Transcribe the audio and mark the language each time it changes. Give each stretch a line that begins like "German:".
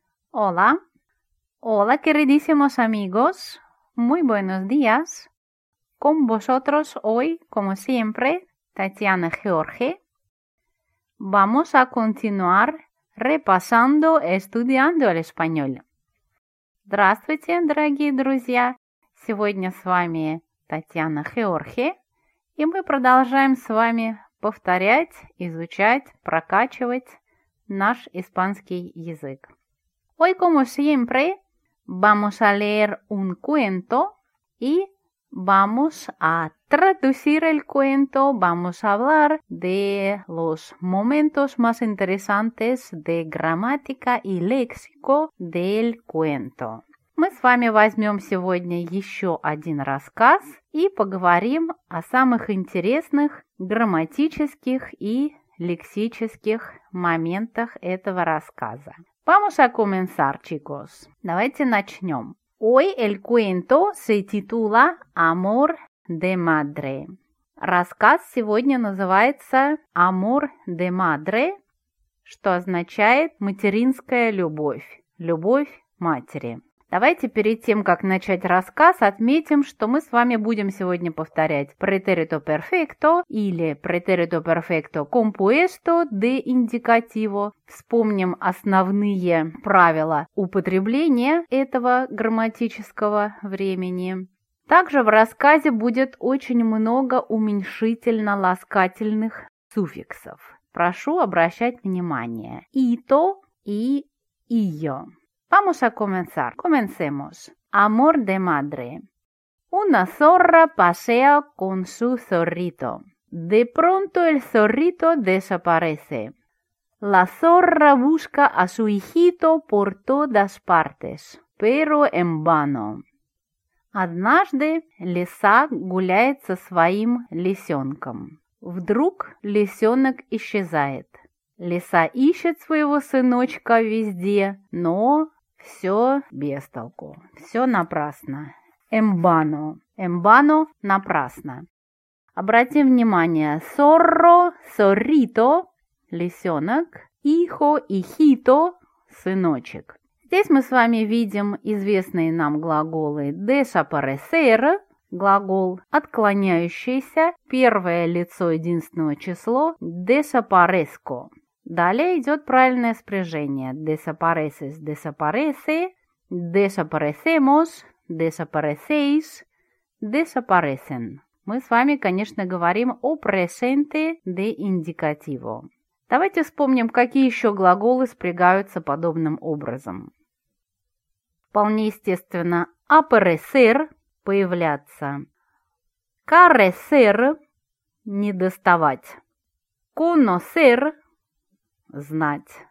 Spanish: Hola, hola queridísimos amigos, muy buenos días. Con vosotros hoy, como siempre, Tatiana George. Vamos a continuar repasando, estudiando el español.
Russian: Здравствуйте, дорогие друзья. Сегодня с вами Татьяна Георгий, и мы продолжаем с вами повторять, изучать, прокачивать наш испанский язык.
Spanish: Hoy, como siempre, vamos a leer un cuento y vamos a traducir el cuento, vamos a hablar de los momentos más interesantes de gramática y léxico del cuento.
Russian: Мы с вами возьмем сегодня еще один рассказ и поговорим о самых интересных грамматических и лексических моментах этого рассказа.
Spanish: Vamos a comenzar, chicos.
Russian: Давайте начнем.
Spanish: Hoy el cuento se titula Amor de Madre.
Russian: Рассказ сегодня называется Amor de Madre, что означает материнская любовь, любовь матери. Давайте перед тем, как начать рассказ, отметим, что мы с вами будем сегодня повторять претерито перфекто или претерито перфекто компуэсто де индикативо. Вспомним основные правила употребления этого грамматического времени. Также в рассказе будет очень много уменьшительно-ласкательных суффиксов. Прошу обращать внимание.
Spanish: Ито и ио. Vamos a comenzar. Comencemos. Amor de madre. Una zorra pasea con su zorrito. De pronto el zorrito desaparece. La zorra busca a su hijito por todas partes, pero en vano.
Russian: Однажды лиса гуляет со своим лисенком. Вдруг лисенок исчезает. Лиса ищет своего сыночка везде, но... Все без толку, все напрасно. Эмбано, эмбано, напрасно. Обратим внимание, сорро, сорито, лисенок, ихо, ихито, сыночек. Здесь мы с вами видим известные нам глаголы десапаресер, глагол отклоняющийся, первое лицо единственного число, десапареско. Далее идет правильное спряжение.
Spanish: Desapareces, desaparece, desaparecemos, desaparecéis, desaparecen.
Russian: Мы с вами, конечно, говорим о presente de indicativo. Давайте вспомним, какие еще глаголы спрягаются подобным образом. Вполне естественно, aparecer – появляться. Carecer – недоставать. Conocer – знать.